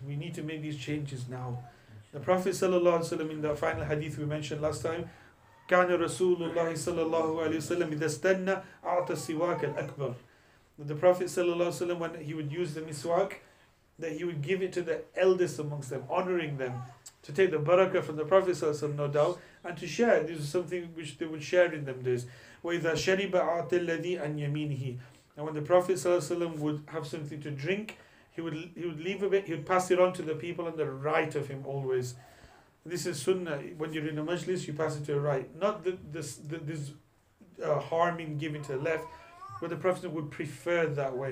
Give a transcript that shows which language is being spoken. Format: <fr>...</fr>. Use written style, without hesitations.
<en>We need to make these changes now. The Prophet sallallahu alaihi wasallam, in the final hadith we mentioned last time,</en> <ar>كان رسول الله صلى الله عليه وسلم إذا استنى أعطى السواك الأكبر.</ar> <en>The Prophet sallallahu alaihi wasallam, when he would use the miswak, that he would give it to the eldest amongst them, honoring them, to take the barakah from the Prophet sallallahu alaihi wasallam, no doubt, and to share. This is something which they would share in them days.</en> <ar>وإذا شرب أعطى الذي عن يمينه.</ar> <en>And when the Prophet ﷺ would have something to drink, he would leave a bit, he would pass it on to the people on the right of him always. This is sunnah. When you're in a majlis, you pass it to the right. Not this harming given to the left, but the Prophet would prefer that way.</en>